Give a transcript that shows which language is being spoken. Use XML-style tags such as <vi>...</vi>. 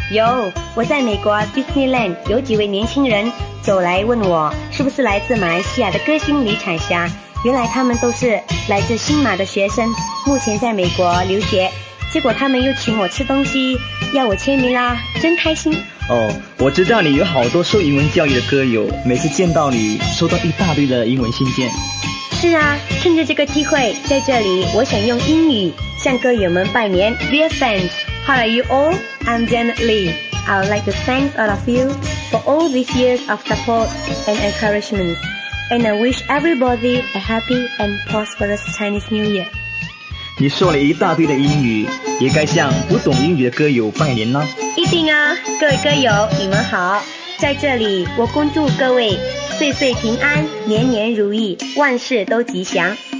<zh>有，我在美国 Disneyland 有几位年轻人走来问我是不是来自马来西亚的歌星李彩霞，原来他们都是来自新马的学生，目前在美国留学，结果他们又请我吃东西，要我签名啦，真开心。哦，我知道你有好多受英文教育的歌友，每次见到你收到一大堆的英文信件。是啊，趁着这个机会在这里，我想用英语向歌友们拜年。</zh> <en>Dear fans, how are you all? I'm Janet Lee. I would like to thank all of you for all these years of support and encouragement, and I wish everybody a happy and prosperous Chinese New Year.</en> <zh>你说了一大堆的英语，也该向不懂英语的歌友拜年了。一定啊，各位歌友你们好，在这里我恭祝各位岁岁平安，年年如意，万事都吉祥。</zh>